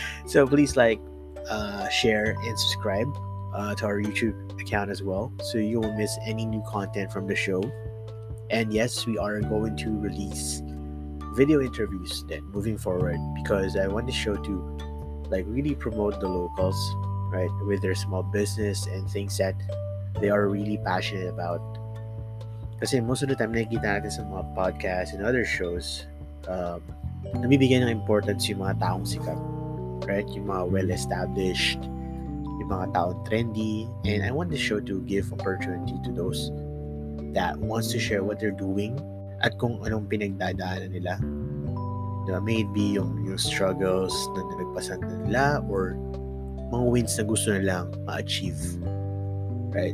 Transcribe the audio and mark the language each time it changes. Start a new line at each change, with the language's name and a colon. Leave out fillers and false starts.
English: So please like, share, and subscribe to our YouTube account as well, so you won't miss any new content from the show. And yes, we are going to release video interviews then moving forward, because I want the show to like really promote the locals, right, with their small business and things that they are really passionate about.
Filipino: Kasi
English: most of the time
Filipino: nakikita natin sa mga podcasts
English: and other shows,
Filipino: nabibigyan ng importance yung mga taong sikat, right, yung mga well-established, yung mga taong trendy.
English: And I want the show to give opportunity to those that wants to share what they're doing
Filipino: at kung anong pinagdadaanan nila. Diba? Maybe yung struggles na nagpasan na nila or mga wins na gusto nilang ma-achieve. Right?